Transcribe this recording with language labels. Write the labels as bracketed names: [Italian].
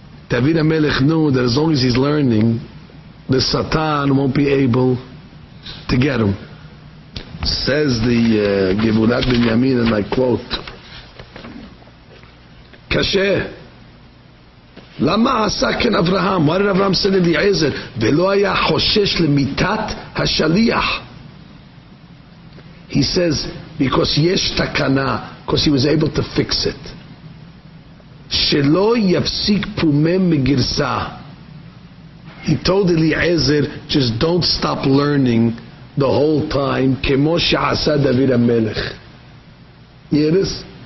[English] David HaMelech knew that as long as he's learning, the Satan won't be able to get him. Says the Gevurat Binyamin, and I quote, Kasher, [Hebrew] למה עשה כן אברהם? [English] Why did Abraham send Eliezer? [Hebrew] ולא היה חושש למיטת השליח. [English] He says, because [Hebrew] יש תקנה, [English] because he was able to fix it. [Hebrew] שלא יפסיק פומם מגרסה. [English] He told Eliezer, just don't stop learning the whole time, [Hebrew] כמו שעשה דוד המלך. [English] Hear this?